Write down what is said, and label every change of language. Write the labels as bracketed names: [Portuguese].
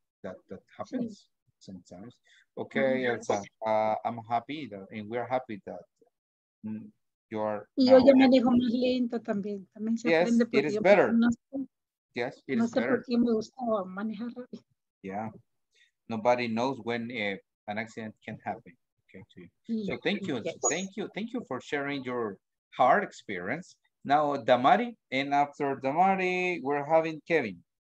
[English] That happens sometimes. Okay, Elsa, I'm happy that, and we're happy that you are. [Spanish] Y yo ya manejo más lento también. También se [English] yes, [Spanish] aprende [English] it is better. [Spanish] No sé por qué me gustaba manejar rápido. [English] Yeah, nobody knows when an accident can happen. Okay, to you. So thank you. Yes. Thank you for sharing your hard experience. Now, Damari, and after Damari, we're having Kevin.